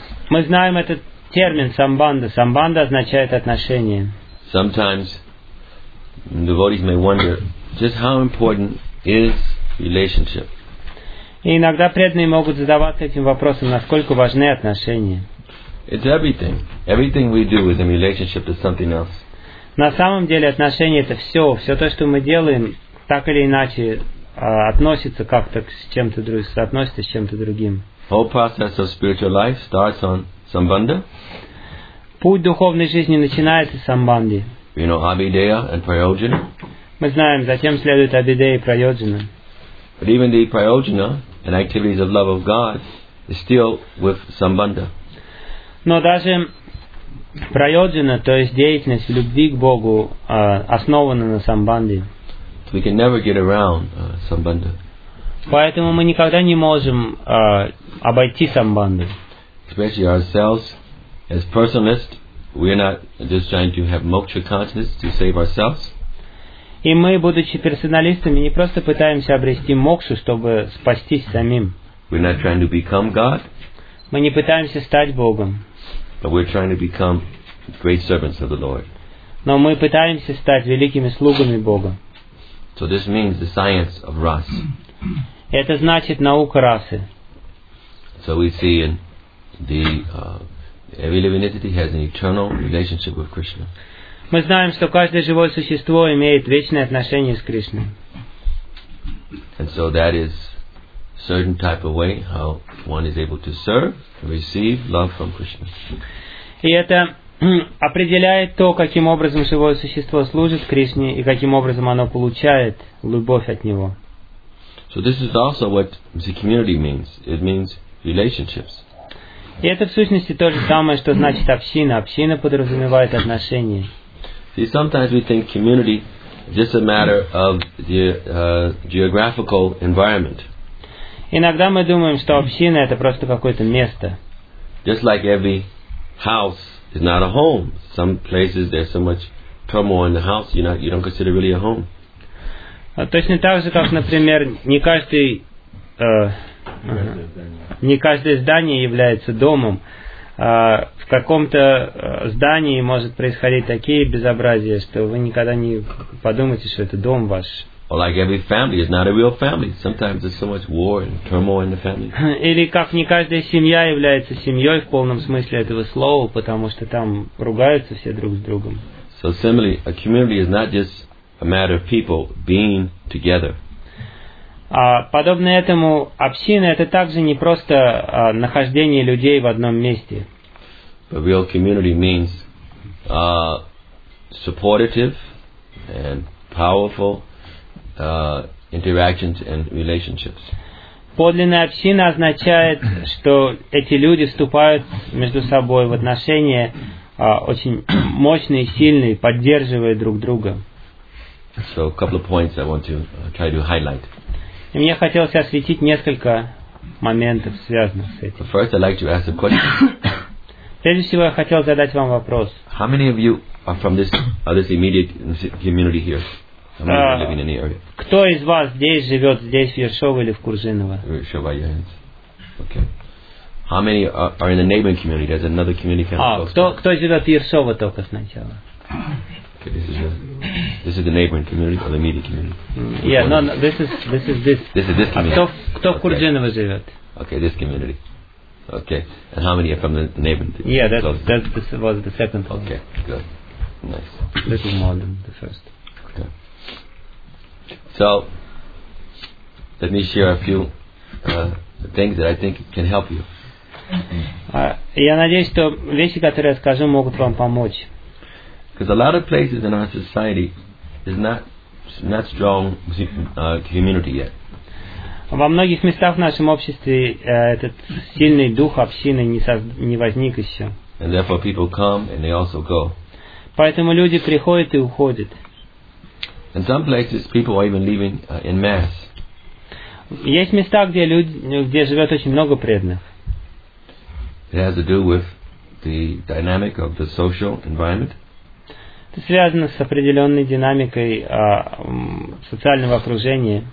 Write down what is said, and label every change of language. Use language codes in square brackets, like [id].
[ru] Мы знаем этот термин самбанда. Самбанда означает отношения. [en] Sometimes devotees may wonder just how important is relationship. [ru] И иногда преданные могут задаваться этим вопросом, насколько важны отношения. [en] It's everything. Everything we do is in relationship to something else. [ru] На самом деле отношения — это все. Все то, что мы делаем, так или иначе относится как-то к чем-то другим, соотносится с чем-то другим. [en] Whole process of spiritual life starts on sambandha. [ru] Путь духовной жизни начинается с самбанды. [en] You know, Abhideya and Prayojana. [ru] Мы знаем, затем следует Абидея и Прайоджина. [en] But even the Prayojana and activities of love of God is still with sambandha. [ru] Но даже Прайоджина, то есть деятельность любви к Богу, основана на самбанде. [en] We can never get around sambandha. [ru] Поэтому мы никогда не можем обойти самбанду. [en] Especially ourselves, as personalists, we are not just trying to have moksha consciousness to save ourselves. [ru] И мы, будучи персоналистами, не просто пытаемся обрести мокшу, чтобы спастись самим. [en] We're not trying to become God. [ru] Мы не пытаемся стать Богом. [en] But we're trying to become great servants of the Lord. [ru] Но мы пытаемся стать великими слугами Бога. [en] So this means the science of ras. [ru] Это значит наука расы. [en] So we see in the every living entity has an eternal relationship with Krishna. [ru] Мы знаем, что каждое живое существо имеет вечное отношение с Кришной. [en] And so that is certain type of way how one is able to serve and receive love from Krishna. [ru] И это определяет то, каким образом живое существо служит Кришне и каким образом оно получает любовь от Него. [en] So this is also what the community means. It means relationships. [ru] И это в сущности то же самое, что значит община. Община подразумевает отношения. [en] See, sometimes we think community is just a matter of the geographical environment. [ru] Иногда мы думаем, что община — это просто какое-то место. [en] Just like every house is not a home. Some places there's so much turmoil in the house, you don't consider really a home. [ru] Точно так же, как, например, не каждое здание является домом. В каком-то здании может происходить такие безобразия, что вы никогда не подумаете, что это дом ваш. [en] Or like every family is not a real family. Sometimes there's so much war and turmoil in the family. [ru] Или как не каждая семья является семьей в полном смысле этого слова, потому что там ругаются все друг с другом. [en] So similarly, a community is not just a matter of people being together. [ru] Подобно этому, община — это также не просто нахождение людей в одном месте. [en] But real community means supportive and powerful interactions and relationships. [ru] Подлинная община означает, что эти люди вступают между собой в отношения очень мощные, сильные, поддерживая друг друга. [en] So a couple of points I want to try to highlight. [ru] И мне хотелось осветить несколько моментов, связанных с этим. [en] First, I'd like to ask a question. [ru] Прежде всего, я хотел задать вам вопрос. [en] How many of you are from this immediate community here? How many are living in the area? [ru] Кто из вас здесь живет, здесь, в Ершове или в Куржиново? [en] Ершова, your hands. Okay. How many are in the neighboring community? There's another community kind of close. [ru] Кто живет в Ершове только сначала? [en] Okay, this is the neighboring community or the immediate community. Yeah, no, this is this community. [ru] Кто в Курджинове живет? [en] Okay, this community. Okay, and how many are from the neighboring? Yeah, that was the second one. Okay, good, nice. A little more than the first. Okay. So let me share a few things that I think can help you. [ru] Я надеюсь, что вещи, которые я скажу, могут вам помочь. [en] Because a lot of places in our society is not strong community yet. [ru] Во многих местах в нашем обществе этот сильный дух общины не возник еще. [en] And therefore people come and they also go. [ru] Поэтому люди приходят и уходят. [en] In some places people are even leaving in mass. [ru] Есть места, где люди, где живет очень много преданных. [en] It has to do with the dynamic of the social environment. [ru] Это связано с определенной динамикой социального окружения.